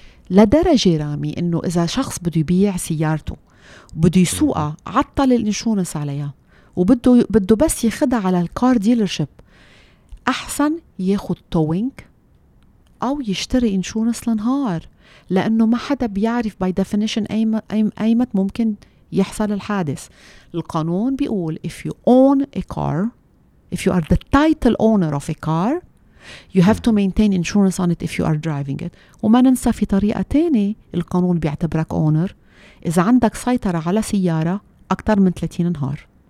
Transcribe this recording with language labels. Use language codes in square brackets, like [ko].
[ar] لدرجة رامي إنه إذا شخص بده يبيع سيارته بده يسوقها، عطل الانشورنس عليها وبده بس يخدها على الكار ديلرشيب، أحسن ياخد توينج أو يشتري insurance لنهار، لأنه ما حدا بيعرف [en] by definition [ar] أيمت ممكن يحصل الحادث. القانون بيقول [en] if you own a car, if you are the title owner of a car, you have to maintain insurance on it if you are driving it. [ar] وما ننسى في طريقة تانية القانون بيعتبرك owner إذا عندك سيطرة على سيارة أكتر من 30 نهار.